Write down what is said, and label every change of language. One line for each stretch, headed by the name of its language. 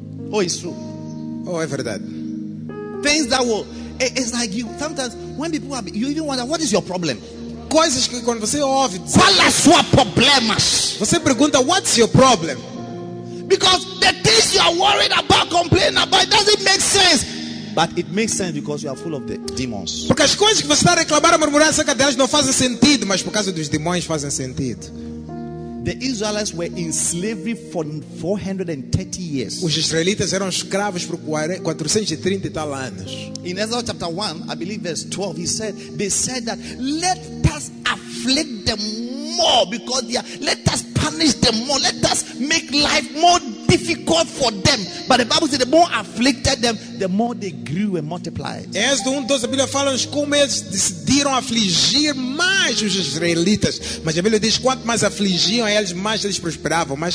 English: Oh, it's true.
Portuguese: Oh, é verdade.
English: Things that will, it's like you, sometimes when people are, you even wonder, what is your problem?
Portuguese: Coisas que quando você ouve, fala sua problemas. Você pergunta,
English: what's your problem? Because the things you are worried about, complaining about, it doesn't make sense. But it makes sense because you are full of the demons.
Portuguese: Porque as coisas que você está a reclamar, a murmurar acerca delas não fazem sentido, mas por causa dos demônios fazem sentido.
English: The Israelites were in slavery for 430 years.
Portuguese: Os israelitas eram escravos por 430 e tal anos.
English: In Ezra chapter 1, I believe verse 12, they said that let us afflict them more because they are, let us punish them more, let us make life more difficult for them. But the Bible says the more afflicted them, the more they grew and multiplied.
Portuguese: Êxodo 1:12, a Bíblia fala como eles decidiram afligir mais os israelitas. Mas a Bíblia diz quanto mais afligiam eles, mais eles prosperavam, mais